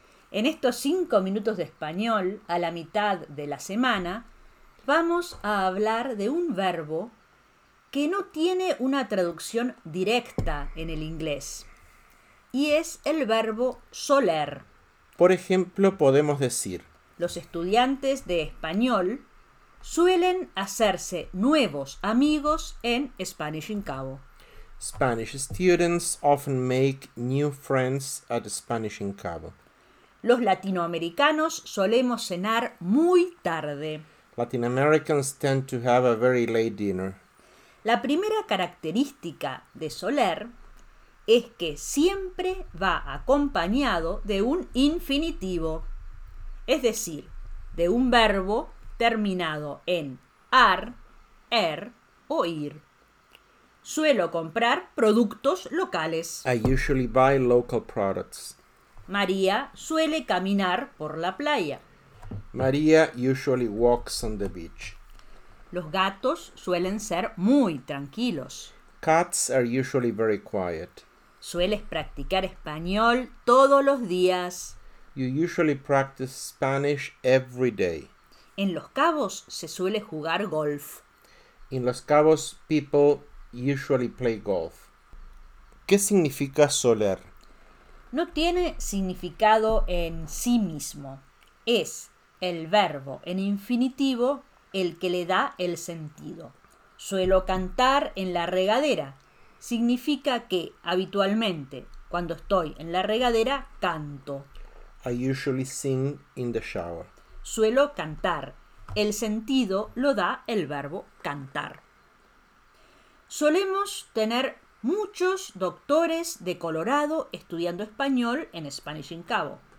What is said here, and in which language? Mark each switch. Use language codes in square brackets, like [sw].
[es] En estos 5 minutos de español, a la mitad de la semana, vamos a hablar de un verbo que no tiene una traducción directa en el inglés. Y es el verbo soler. Por ejemplo, podemos decir: los estudiantes de español suelen hacerse nuevos amigos en Spanish in Cabo. [en] Spanish students often make new friends at Spanish in Cabo. [es] Los latinoamericanos solemos cenar muy tarde. [en] Latin Americans tend to have a very late dinner. [es] La primera característica de soler es que siempre va acompañado de un infinitivo, es decir, de un verbo terminado en ar, er o ir. Suelo comprar productos locales. [en] I usually buy local products. [es] María suele caminar por la playa. [en] María usually walks on the beach. [es] Los gatos suelen ser muy tranquilos. [en] Cats are usually very quiet. [es] Sueles practicar español todos los días. [en] You usually practice Spanish every day. [es] En Los Cabos se suele jugar golf. [en] In Los Cabos, people usually play golf. [es] ¿Qué significa soler? No tiene significado en sí mismo. Es el verbo en infinitivo el que le da el sentido. Suelo cantar en la regadera. Significa que, habitualmente, cuando estoy en la regadera, canto. [en] I usually sing in the shower. [es] Suelo cantar. El sentido lo da el verbo cantar. Solemos tener muchos doctores de Colorado estudiando español en Spanish in Cabo.